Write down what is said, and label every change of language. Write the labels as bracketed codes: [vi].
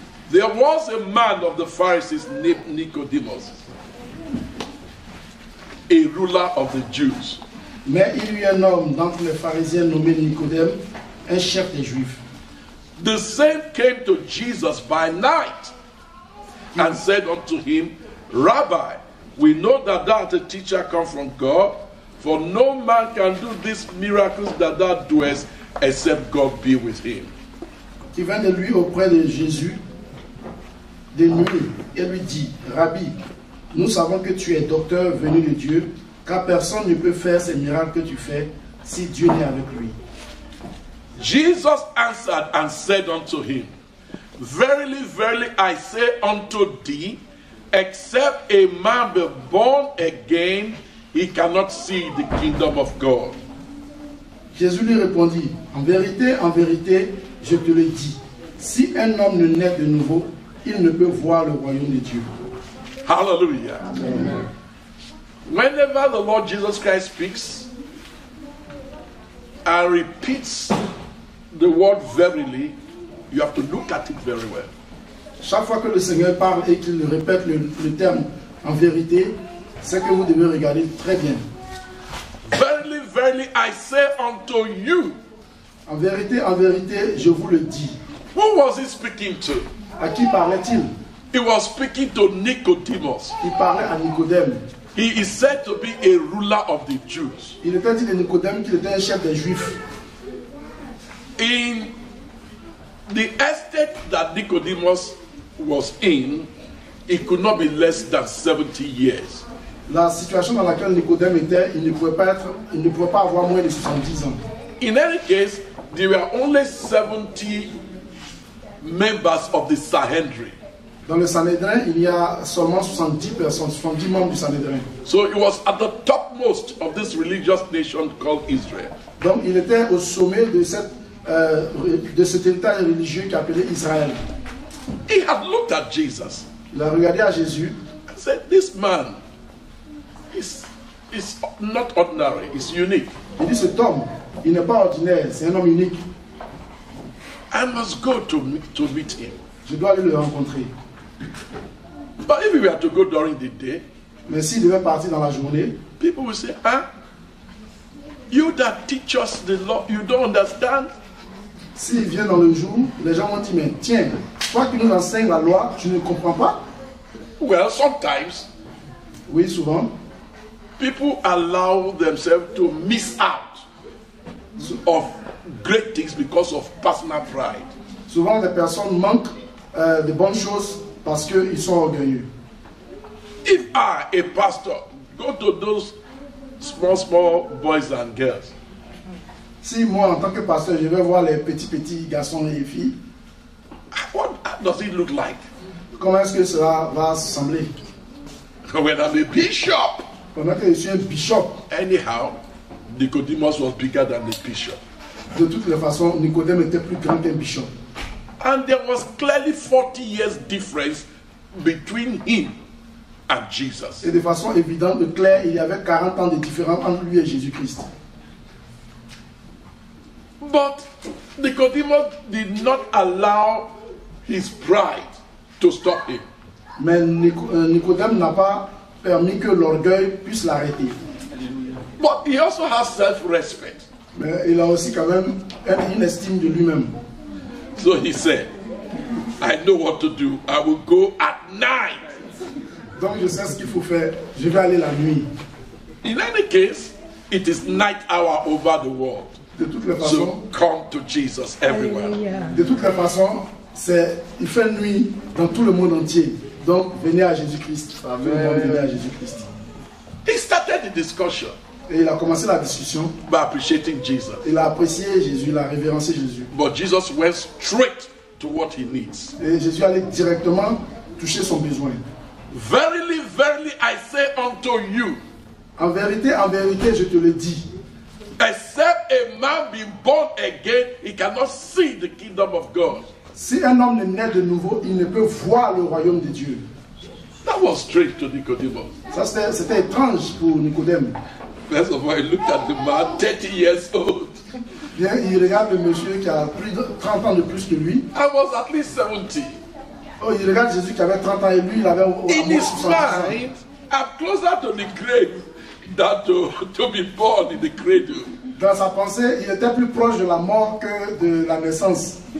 [en] There was a man of the Pharisees named Nicodemus, a ruler of the Jews. [fr] Mais il y a un homme d'entre les pharisiens nommé Nicodème, un chef des Juifs. [en] The same came to Jesus by night and said unto him, Rabbi, we know that thou art a teacher come from God, for no man can do these miracles that thou doest except God be with him. [fr] Qui vient de lui auprès de Jésus de nuit, et lui dit, Rabbi, nous savons que tu es docteur venu de Dieu, car personne ne peut faire ces miracles que tu fais si Dieu n'est avec lui. [en] Jesus answered and said unto him, Verily, verily, I say unto thee, Except a man be born again, he cannot see the kingdom of God. [fr] Jésus lui répondit, en vérité, je te le dis, si un homme ne naît de nouveau, il ne peut voir le royaume de Dieu. Hallelujah. Amen. [en] Whenever the Lord Jesus Christ speaks and repeats the word verily, you have to look at it very well. [fr] Chaque fois que le Seigneur parle et qu'il répète le terme en vérité, c'est que vous devez regarder très bien. [en] Verily, verily, I say unto you. [fr] En vérité, je vous le dis. [en] Who was he speaking to? [fr] À qui parlait-il? [en] He was speaking to Nicodemus. [fr] Il parlait à Nicodème. [en] He is said to be a ruler of the Jews. [fr] Il était dit de Nicodème qu'il était un chef des Juifs. [en] In the estate that Nicodemus was in, he could not be less than 70 years. [fr] La situation dans laquelle Nicodème était, il ne pouvait pas avoir moins de 70 ans. [en] In any case, there were only 70 members of the Sanhedrin. [fr] Dans le Sanhédrin, il y a seulement 70 personnes, 70 membres du Sanhédrin. [en] So he was at the topmost of this religious nation called Israel. [fr] Donc il était au sommet de cette de cet état religieux qui appelait Israël. [en] He had looked at Jesus. [fr] Il a regardé à Jésus. [en] And said, this man is not ordinary, he's unique. [fr] Il dit, cet homme, il n'est pas ordinaire, c'est un homme unique. [en] I must go to meet him. [fr] Je dois aller le rencontrer. [en] But if we were to go during the day, [fr] mais s'il devait partir dans la journée, [en] people would say, huh? You that teach us the law, you don't understand. [fr] S'il vient dans le jour, les gens vont dire, mais tiens, toi qui nous enseignes la loi, tu ne comprends pas? [en] Well, sometimes, [fr] oui, souvent, [en] people allow themselves to miss out of great things because of personal pride. [fr] Souvent, les personnes manquent de bonnes choses parce qu'ils sont orgueilleux. [en] If I, a pastor, go to those small boys and girls. [fr] Si moi, en tant que pasteur, je vais voir les petits garçons et les filles, [en] what does it look like? [fr] Comment est-ce que cela va sembler? [en] When I'm a bishop. [fr] Pendant que je suis un bishop. [en] Anyhow, Nicodemus was bigger than the bishop. [fr] De toutes les façons, Nicodème était plus grand qu'un bishop. [en] And there was clearly 40 years difference between him and Jesus. [fr] Et de façon évidente et claire, il y avait 40 ans de différence entre lui et Jésus-Christ. [en] But Nicodemus did not allow his pride to stop him. [fr] Mais Nicodème n'a pas permis que l'orgueil puisse l'arrêter. [en] But he also has self-respect. [fr] Mais il a aussi quand même une estime de lui-même. [en] So he said, I know what to do. I will go at night. [fr] Donc je sais ce qu'il faut faire. Je vais aller la nuit. [en] In any case, it is night hour over the world. [fr] De toutes les façons, [en] so come to Jesus everywhere. [fr] De toutes les façons, c'est il fait nuit dans tout le monde entier. Donc venez à Jésus-Christ. Amen. Venez à Jésus-Christ. [en] He started the discussion. [fr] Et il a commencé la discussion. [en] By appreciating Jesus. [fr] Il a apprécié Jésus, il a révérencié Jésus. [en] But Jesus went straight to what he needs. [fr] Et Jésus allait directement toucher son besoin. [en] Verily, verily, I say unto you. [fr] En vérité, je te le dis. [en] Except a man be born again, he cannot see the kingdom of God. [fr] Si un homme ne naît de nouveau, il ne peut voir le royaume de Dieu. [en] That was strange to Nicodemus. [fr] Ça c'était étrange pour Nicodème. [en] First of all, he looked at the man 30 years old. [fr] Bien, il regarde le monsieur qui a plus de 30 ans de plus que lui. [en] I was at least 70. [fr] Oh, il regarde Jésus qui avait 30 ans et lui il avait au moins 70 ans. [en] In his mind, I'm closer to the grave than to be born in the cradle. [fr] Dans sa pensée, il était plus proche de la mort que de la naissance.